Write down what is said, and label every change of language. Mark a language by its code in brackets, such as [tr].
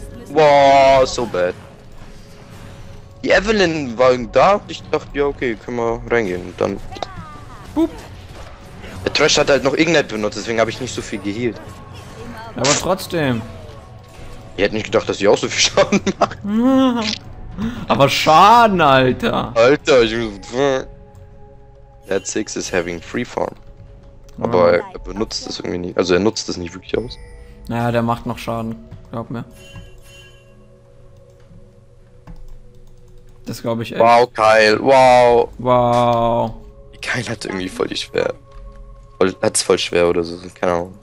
[en] Wow, so bad. [de] Die Evelyn war da und ich dachte, ja okay, können wir reingehen und dann... Boop. Der Thresh hat halt noch Ignite benutzt, deswegen habe ich nicht so viel geheilt. Aber trotzdem. Ich hätte nicht gedacht, dass ich auch so viel Schaden mache. Aber Schaden, Alter! Alter, ich muss. [en] That Six is having free farm. [de] Aber er benutzt es irgendwie nicht. Also, er nutzt es nicht wirklich aus. Naja, der macht noch Schaden. Glaub mir. Das glaube ich echt. Wow, Kyle, wow! Wow! Kyle hat irgendwie voll die schwer. Hat's voll schwer oder so, keine Ahnung.